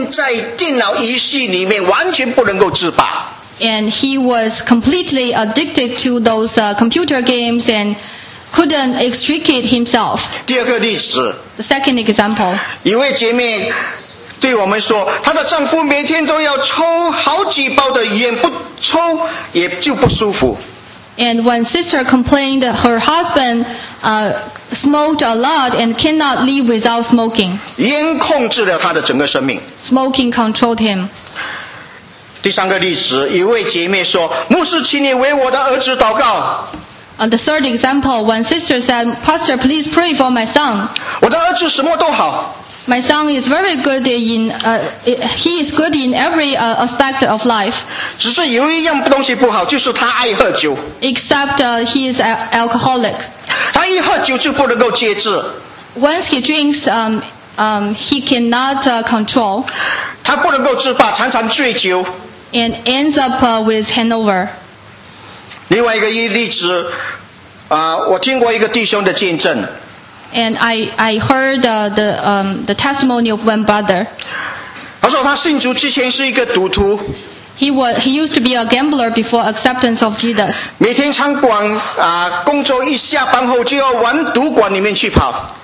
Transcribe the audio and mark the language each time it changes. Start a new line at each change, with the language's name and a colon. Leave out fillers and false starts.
Chinese: 他完全的浸沉浸在电脑游戏里面, 完全不能够自拔。
English: And he was completely addicted to those computer games and couldn't extricate himself.
Chinese: 第二个例子,
English: the second example.
Chinese: 一位姐妹对我们说, 她的丈夫每天都要抽好几包的烟, 不抽也就不舒服。
English: And one sister complained that her husband smoked a lot and cannot live without smoking.
Chinese: 烟控制了她的整个生命。
English: Smoking controlled him.
Chinese: 第三个例子，一位姐妹说：“牧师，请你为我的儿子祷告。”
English: The third example, one sister said, "Pastor, please pray for my son."
Chinese: 我的儿子什么都好。
English: My son is very good in he is good in every aspect of life.
Chinese: 只是有一样东西不好，就是他爱喝酒。
English: Except he is alcoholic.
Chinese: 他一喝酒就不能够节制。
English: Once he drinks, he cannot control.
Chinese: 他不能够自拔, 常常醉酒,
English: and ends up with hangover.
Chinese: 另外一个例子, 我听过一个弟兄的见证,
English: and I heard the testimony of one brother.
Chinese: 他说他信主之前是一个赌徒,
English: he used to be a gambler before acceptance of Jesus.
Chinese: 每天餐馆, 工作一下班后就要往赌馆里面去跑。